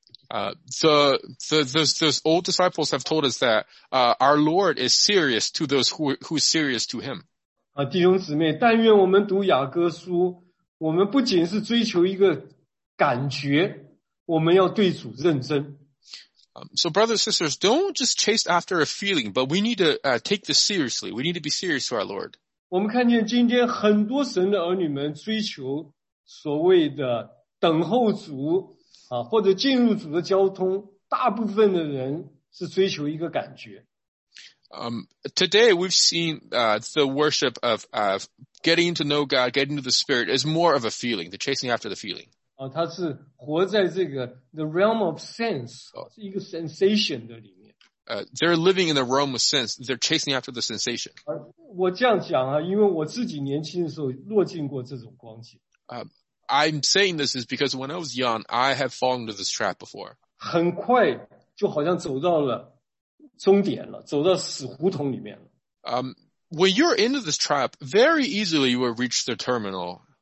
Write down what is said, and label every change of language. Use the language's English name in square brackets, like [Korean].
[English] Those old disciples have told us that, our Lord is serious to those who is serious to him. [Chinese] 啊，弟兄姊妹，但愿我们读雅各书，我们不仅是追求一个感觉，我们要对主认真。 [English] So brothers and sisters, don't just chase after a feeling, but we need to, take this seriously. We need to be serious to our Lord. [Chinese] 我们看见今天很多神的儿女们追求所谓的等候主啊，或者进入主的交通，大部分的人是追求一个感觉。 [English] Today we've seen, the worship of, getting to know God, getting to the Spirit is more of a feeling, the chasing after the feeling. [Chinese] 啊，他是活在这个 [English] the realm of sense, [Chinese] 是一个 sensation 的里面。 [English] They're living in the realm of sense, they're chasing after the sensation. [Chinese] 我这样讲啊，因为我自己年轻的时候落进过这种光景。 [English] I'm saying this is because when I was young, I have fallen into this trap before. [Chinese] 很快就好像走到了终点了，走到死胡同里面了。 [English] When you're into this trap, very easily you will reach the terminal.